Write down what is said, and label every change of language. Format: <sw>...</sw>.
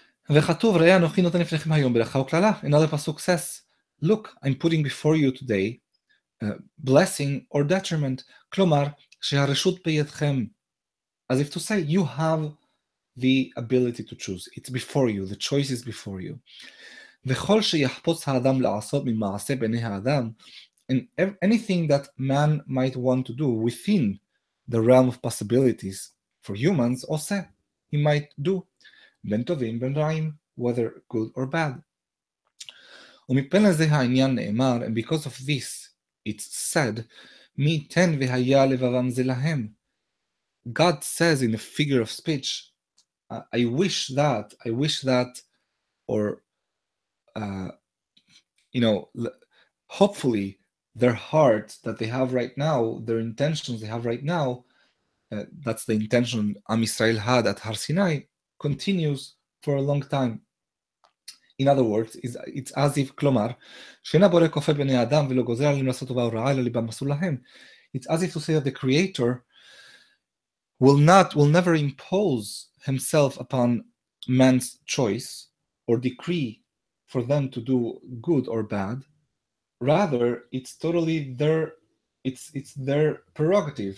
<he>וכתוב, ראה אנוכי נותן לפניכם היום ברכה וקללה.</he> <en>Another pasuk says, look, I'm putting before you today blessing or detriment.</en> <he>כלומר, שהרשות בידכם.</he> <en>As if to say, you have the ability to choose. It's before you. The choice is before you.</en> <he>וכל שיחפוץ האדם לעשות ממעשה בעיני האדם,</he> <en>and anything that man might want to do within the realm of possibilities for humans,</en> <he>עושה,</he> <en>he might do.</en> <he>בין טובים, בין רעים,</he> <en>whether good or bad.</en> <he>ומפן לזה העניין נאמר,</he> <en>and because of this, it's said,</en> <he>מי תן והיה לבבם זה להם.</he> <en>God says in a figure of speech, hopefully their heart that they have right now, their intentions they have right now, that's the intention Am Yisrael had at Har Sinai, continues for a long time. In other words, it's as if,</en> <he>klomar, שאינה בורא כופה בני אדם ולא גוזר עליהם לעשות טובה ורעה אלא ליבם עשו להם.</he> <en>It's as if to say that the Creator will never impose himself upon man's choice or decree for them to do good or bad. Rather, it's totally their it's their prerogative.</en>